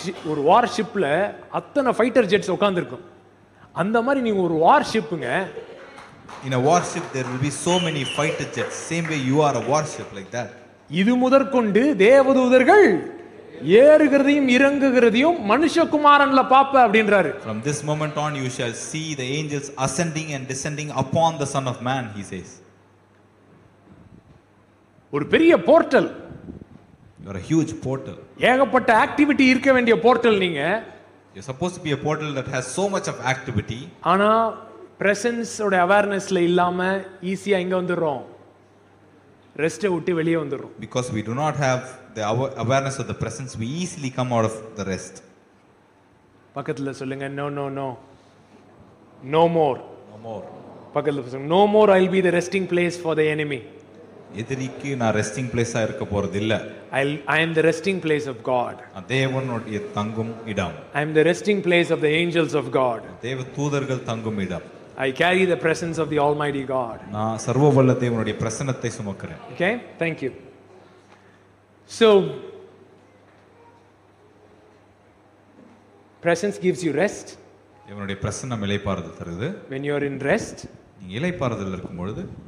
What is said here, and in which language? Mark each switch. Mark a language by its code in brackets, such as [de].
[ta] ஒரு வார்ஷிப்ல அத்தனை ஃபைட்டர் ஜெட்ஸ் உட்கார்ந்துருக்கும். அந்த மாதிரி நீங்க ஒரு வார்ஷிப்ங்க. [en] In a warship there will be so many fighter jets, same way you are a warship like that. [ta] இது முதற்கொண்டு தேவதூதர்கள் ஏறுகிறதையும் இறங்குகிறதையும் மனுஷகுமாரன்ல பாப்ப அப்படின்றாரு. [en] From this moment on you shall see the angels ascending and descending upon the Son of Man, he says. [ta] ஒரு பெரிய portal, [en] you're a huge portal. [ta] ஏகப்பட்ட activity இருக்க வேண்டிய போர்ட்டல் நீங்க. [en] You're supposed to be a portal that has so much of activity. [ta] ஆனா பிரசன்ஸோட அவேர்னஸ்ல இல்லாம ஈஸியா இங்க வந்துறோம். ரெஸ்ட் விட்டு வெளியே வந்துறோம். [en] Because we do not have the awareness of the presence, we easily come out of the rest. [ta] பக்கத்துல சொல்லுங்க, [en] No no no. No more. No more. [ta] பக்கத்துல சொல்லுங்க, [en] No more. I'll be the resting place for the enemy. [ta] எதிரிக்கு நான் resting பிளேஸா இருக்க போறது இல்ல. [en] I am the resting place of God. [ta] தேவனுடைய தங்கும் இடம். [en] I am the resting place of the angels of God. [ta] தேவ தூதர்கள் தங்கும் இடம். [en] I carry the presence of the Almighty God. [ta] நா சர்வவல்ல தேவனுடைய பிரசன்னத்தை சுமக்கிறேன். [en] Okay, thank you. So presence gives you rest. [ta] தேவனுடைய பிரசன்னம் இளைப்பாறுதல் தருது. [en] When you are in rest, [ta] நீ இளைப்பாறுதல் இருக்கும் பொழுது